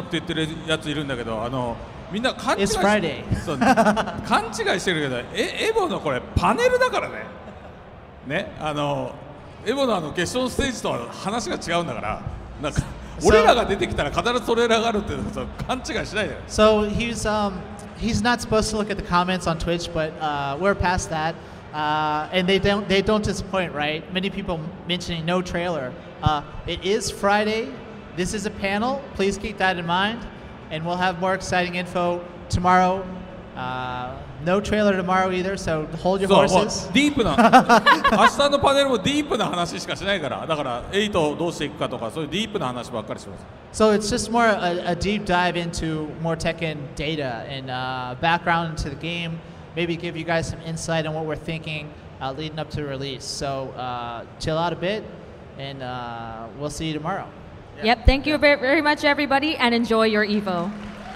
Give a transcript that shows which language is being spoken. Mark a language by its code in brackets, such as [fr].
[ja] って言ってるやついるんだけど、みんな勘違いして、 [en] It's Friday. [ja] そうね。勘違いしてるけど、エボのこれパネルだからね。ね、エボのあの決勝ステージとは話が違うんだから、なんか俺らが出てきたら必ずトレーラーがあるって勘違いしないで。 [en] So he's not supposed to look at the comments on Twitch, but we're past that. And they don't disappoint, right? Many people mentioning no trailer. It is Friday. This is a panel. Please keep that in mind. And we'll have more exciting info tomorrow. No trailer tomorrow either, so hold your horses. [ja] そう、ディープな。明日のパネルもディープな話しかしないから、だから8をどうしていくかとか、そういうディープな話ばっかりします。 [en] So it's just more a deep dive into more Tekken data and background into the game, maybe give you guys some insight on what we're thinking leading up to the release. So chill out a bit, and we'll see you tomorrow. Yep, thank you very, very much, everybody, and enjoy your Evo.